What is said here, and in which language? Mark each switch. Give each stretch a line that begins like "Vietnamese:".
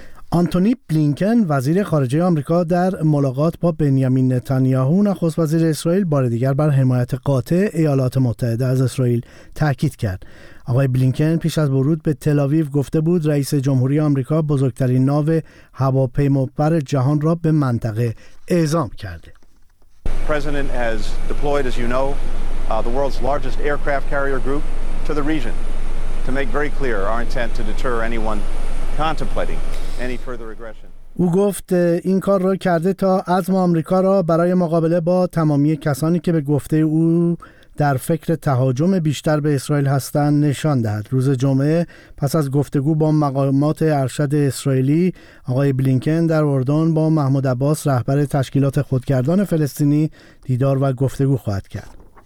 Persian: آنتونی بلینکن وزیر خارجه آمریکا در ملاقات با بنیامین نتانیاهو نخست وزیر اسرائیل بار دیگر بر حمایت قاطع ایالات متحده از اسرائیل تاکید کرد. آقای بلینکن پیش از ورود به تل آویو گفته بود رئیس جمهوری آمریکا بزرگترین ناو هواپیمابر جهان را به منطقه اعزام کرده.
English: President has deployed as you know the world's largest aircraft carrier group to the region to make very clear our intent to deter anyone contemplating any further aggression.
Persian: او گفت این کار را کرده تا عزم آمریکا را برای مقابله با تمامی کسانی که به گفته او در فکر تهاجم بیشتر به اسرائیل هستند نشان دهد. روز جمعه پس از گفتگو با مقامات ارشد اسرائیلی، آقای بلینکن در اردن با محمود عباس رهبر تشکیلات خودگردان فلسطینی دیدار و گفتگو خواهد کرد.